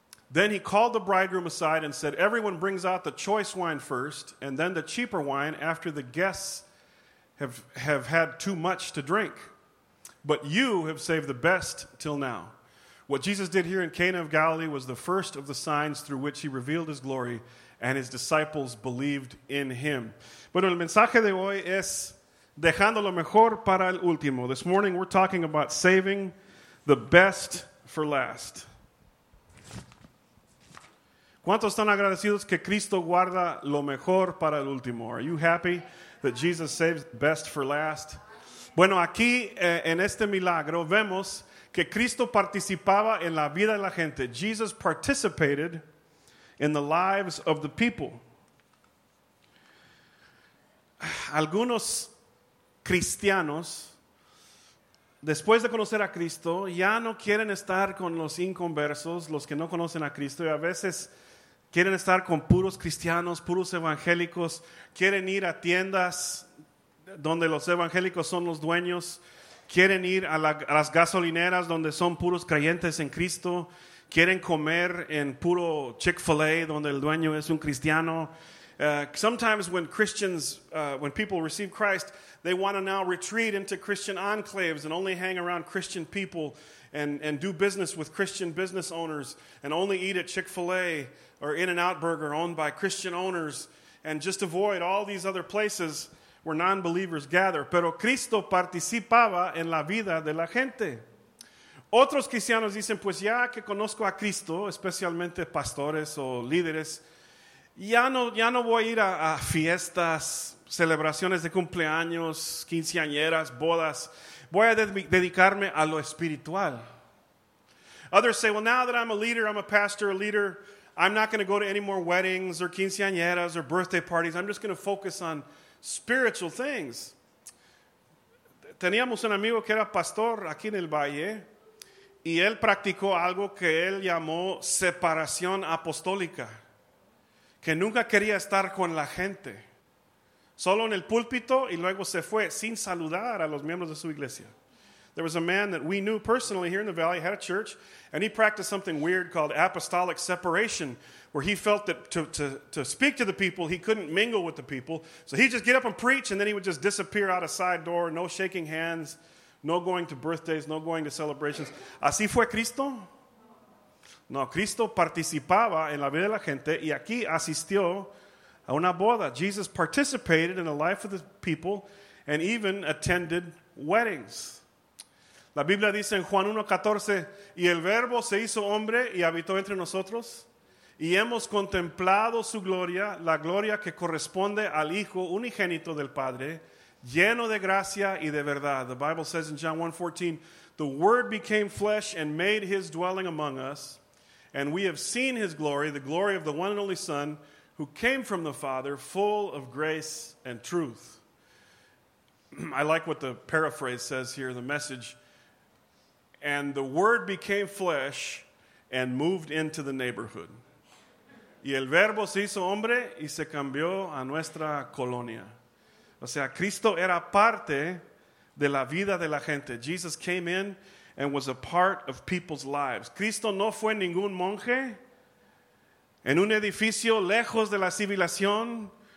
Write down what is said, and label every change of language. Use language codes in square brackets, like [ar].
[en] Then he called the bridegroom aside and said, everyone brings out the choice wine first and then the cheaper wine after the guests have had too much to drink. But you have saved the best till now. What Jesus did here in Cana of Galilee was the first of the signs through which he revealed his glory and his disciples believed in him. [es] Bueno, el mensaje de hoy es dejando lo mejor para el último. [en] This morning we're talking about saving the best for last. [es] ¿Cuántos están agradecidos que Cristo guarda lo mejor para el último? [en] Are you happy that Jesus saves the best for last? [es] Bueno, aquí en este milagro vemos que Cristo participaba en la vida de la gente. [en] Jesus participated in the lives of the people. [es] Algunos cristianos, después de conocer a Cristo, ya no quieren estar con los inconversos, los que no conocen a Cristo, y a veces quieren estar con puros cristianos, puros evangélicos. Quieren ir a tiendas donde los evangélicos son los dueños. Quieren ir a las gasolineras donde son puros creyentes en Cristo. Quieren comer en puro Chick-fil-A donde el dueño es un cristiano. [en] Sometimes when Christians, when people receive Christ, they want to now retreat into Christian enclaves and only hang around Christian people and do business with Christian business owners and only eat at Chick-fil-A or In-N-Out Burger owned by Christian owners and just avoid all these other places where non-believers gather. [es] Pero Cristo participaba en la vida de la gente. Otros cristianos dicen, pues ya que conozco a Cristo, especialmente pastores o líderes, ya no voy a ir a fiestas, celebraciones de cumpleaños, quinceañeras, bodas. Voy a dedicarme a lo espiritual. [en] Others say, well, now that I'm a leader, I'm a pastor, a leader, I'm not going to go to any more weddings or quinceañeras or birthday parties. I'm just going to focus on spiritual things. [es] teníamos un amigo que era pastor aquí en el valle y él practicó algo que él llamó separación apostólica, que nunca quería estar con la gente, solo en el púlpito y luego se fue sin saludar a los miembros de su iglesia. [en] There was a man that we knew personally here in the valley, had a church, and he practiced something weird called apostolic separation, where he felt that to speak to the people, he couldn't mingle with the people. So he'd just get up and preach, and then he would just disappear out of side door, no shaking hands, no going to birthdays, no going to celebrations. [es] ¿Así fue Cristo? No, Cristo participaba en la vida de la gente, y aquí asistió a una boda. [en] Jesus participated in the life of the people, and even attended weddings. [es] La Biblia dice en Juan 1:14, y el Verbo se hizo hombre y habitó entre nosotros, y hemos contemplado su gloria, la gloria que corresponde al Hijo unigénito del Padre, lleno de gracia y de verdad. [en] The Bible says in John 1:14, the Word became flesh and made his dwelling among us, and we have seen his glory, the glory of the one and only Son, who came from the Father, full of grace and truth. I like what the paraphrase says here, the Message. And the Word became flesh and moved into the neighborhood. [es] Y el Verbo se hizo hombre y se cambió a nuestra colonia. O sea, Cristo era parte de la vida de la gente. [en] Jesus came in and was a part of people's lives. [es] Cristo no fue ningún monje en un edificio lejos de la civilización.